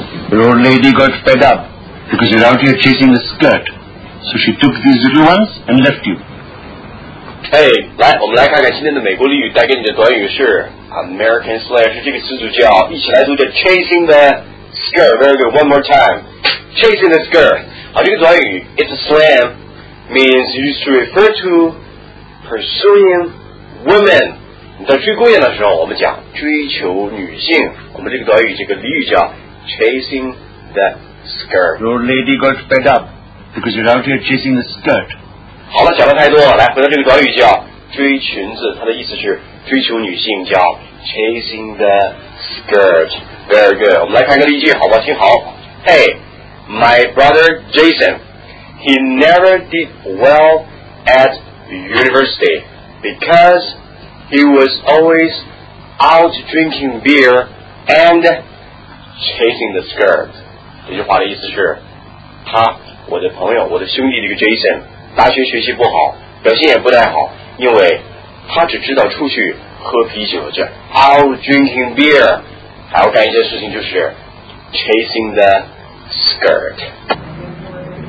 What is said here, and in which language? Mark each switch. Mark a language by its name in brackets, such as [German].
[English] The old lady got fed up because you're out here chasing the skirt. So she took these little ones and left you. [Chinese] Hey, 来，我们来看看今天的美国俚语带给你的短语是 [English] American slang， [Chinese] 是这个词组叫，一起来读叫 [English] chasing the skirt. Very good. One more time. Chasing the skirt. 好， [Chinese] 这个短语 [English] it's a slang means used to refer to pursuing women. [Chinese] 你在追姑娘的时候，我们讲追求女性。我们这个短语这个俚语叫 [English] chasing the skirt. Your lady got fed up. Because you're out here chasing the skirt. [Chinese] 好了，讲的太多了。来，回到这个短语叫追裙子，它的意思是追求女性，叫 [English] chasing the skirt. Very good. [Chinese] 我们来看个例句，好吧？听好。 [English] Hey, my brother Jason, he never did well at university because he was always out drinking beer and chasing the skirt. [Chinese] 这句话的意思是，他。我的朋友，我的兄弟，这个 Jason， 大学学习不好，表现也不太好，因为他只知道出去喝啤酒，这 [English] out drinking beer， [Chinese] 还要干一件事情，就是 [English] chasing the skirt。